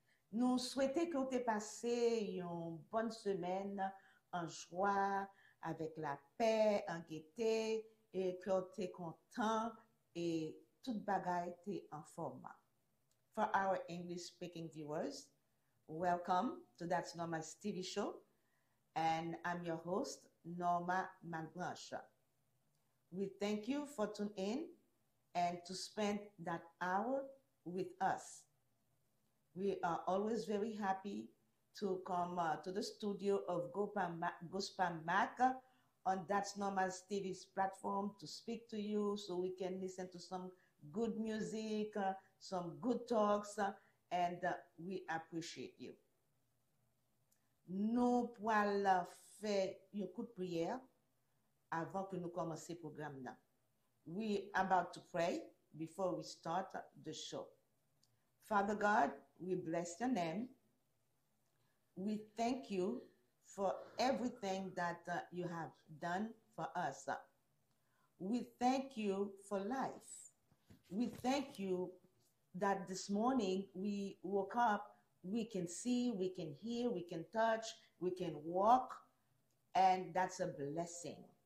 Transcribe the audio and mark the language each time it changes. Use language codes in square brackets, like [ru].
[fr] Nous souhaitons que vous ayez passé une bonne semaine en joie, avec la paix, en gaieté, et que vous êtes content et tout bagaille est en forme. [en] For our English speaking viewers, welcome to That's Norma's TV show, and I'm your host, Norma Mulbranch. We thank you for tuning in. And to spend that hour with us. We are always very happy to come to the studio of Gospam Mac on That's Normal TV's platform to speak to you so we can listen to some good music, some good talks, and we appreciate you. [fr] Nous pourrons faire un coup de prière avant que nous commencions le programme là. [en] We are about to pray before we start the show. Father God, we bless your name. We thank you for everything that you have done for us. We thank you for life. We thank you that this morning we woke up, we can see, we can hear, we can touch, we can walk, and that's a blessing.